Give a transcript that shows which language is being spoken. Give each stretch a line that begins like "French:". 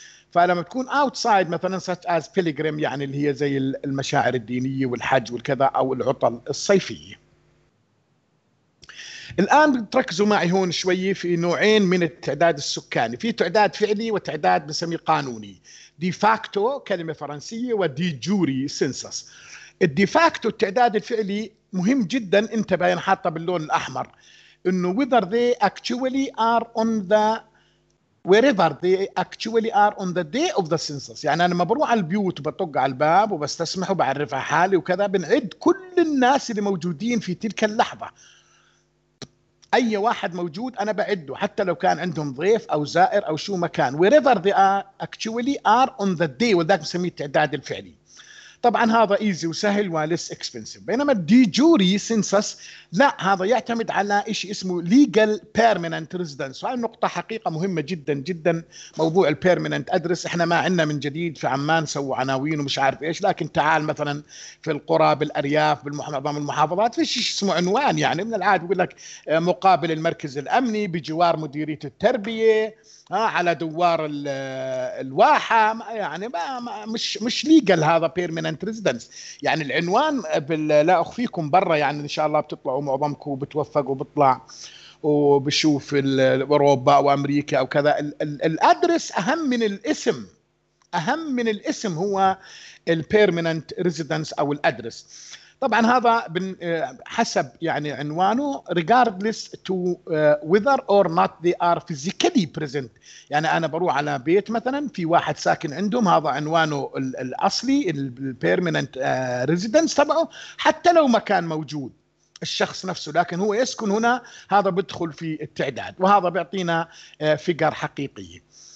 Arabic: فلما تكون outside مثلاً
English: such as pilgrim
Arabic: يعني اللي هي زي المشاعر الدينية والحج والكذا أو العطل الصيفية. الآن تركزوا معي هون شوي في نوعين من التعداد السكاني، في تعداد فعلي وتعداد بسميه قانوني، دي فاكتو كلمة فرنسية ودي جوري سنسس. الدي فاكتو التعداد الفعلي مهم جدا، انت باين حاطه باللون الأحمر انه
English: whether they actually are on the wherever they actually are on the day of the census.
Arabic: يعني أنا ما بروح على البيوت وبطق على الباب وبستسمح وبعرف حالي وكذا، بنعد كل الناس اللي موجودين في تلك اللحظة، أي واحد موجود أنا بعده حتى لو كان عندهم ضيف أو زائر أو شو مكان.
English: wherever they are actually are on the day،
Arabic: وذاك نسميه التعداد الفعلي. طبعا هذا easy وسهل وليس expensive. بينما دي جوري سنسس لا، هذا يعتمد على إشي اسمه
English: legal permanent residence،
Arabic: وهذه النقطة حقيقة مهمة جدا جدا، موضوع
English: permanent address.
Arabic: احنا ما عندنا من جديد في عمان، سووا عناوين ومش عارف إيش، لكن تعال مثلا في القرى بالأرياف بالمعظم المحافظات فيش اسمه عنوان، يعني من العادة يقول لك مقابل المركز الأمني بجوار مديرية التربية على دوار الواحة، يعني ما مش legal هذا
English: permanent residence.
Arabic: يعني العنوان لا أخفيكم برا، يعني إن شاء الله بتطلعوا معظمكم وبتوفقوا وبطلع وبشوف أوروبا وأمريكا أو كذا. الأدرس أهم من الاسم، أهم من الاسم هو
English: permanent residence
Arabic: أو الأدرس. طبعا هذا حسب يعني عنوانه
English: regardless to whether or not they are physically present.
Arabic: يعني أنا بروح على بيت مثلا في واحد ساكن عندهم، هذا عنوانه الأصلي
English: permanent residence
Arabic: تبعه، حتى لو ما كان موجود الشخص نفسه لكن هو يسكن هنا، هذا بيدخل في التعداد، وهذا بيعطينا فيجر حقيقية.